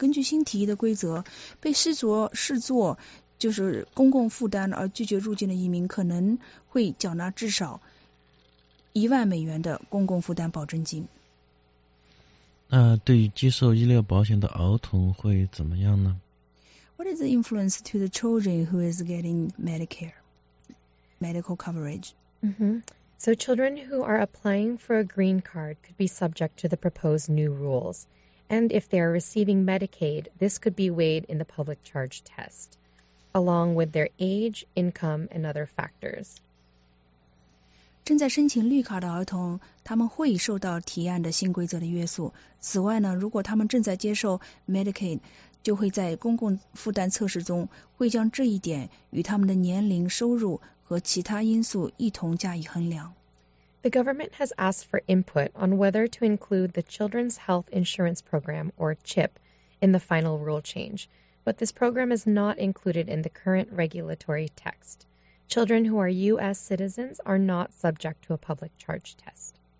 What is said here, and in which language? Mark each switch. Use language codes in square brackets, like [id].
[zh] 根据新提议的规则，被视作就是公共负担而拒绝入境的移民，可能会缴纳至少$10,000的公共负担保证金。那对于接受医疗保险的儿童会怎么样呢 [en] ？What is the influence to the children who is getting medical coverage？ So children who are applying for a green card could be subject to the proposed new rules. And if they are receiving Medicaid, this could be weighed in the public charge test, along with their age, income, and other factors. [zh] 正在申请绿卡的儿童，他们会受到提案的新规则的约束。此外呢，如果他们正在接受 Medicaid, 就会在公共负担测试中，会将这一点与他们的年龄、收入和其他因素一同加以衡量。 [en] The government has asked for input on whether to include the Children's Health Insurance Program, or CHIP, in the final rule change, but this program is not included in the current regulatory text. Children who are U.S. citizens are not subject to a public charge test.